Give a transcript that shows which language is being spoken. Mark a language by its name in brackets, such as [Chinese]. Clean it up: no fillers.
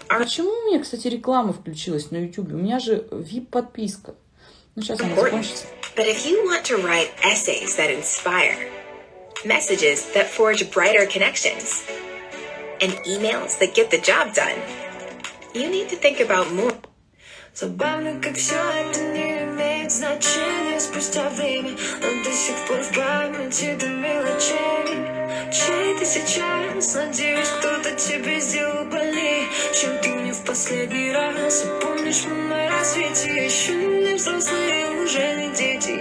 [Russian] Почему у меня, кстати, реклама включилась на YouTube? У меня же VIP-подписка. Ну, сейчас она закончится. [English] But if you want to write essays that inspire, messages that forge brighter connections, and emails that get the job done, you need to think about more. [Russian] Забавно, как все это не имеет значения. Спустя время он до сих пор в памяти до мелочей. Чей ты сейчас? Надеюсь, кто-то тебе сделал больнее, чем ты мне в последний раз. Помнишь, мы на рассвете еще не взрослые, уже не дети.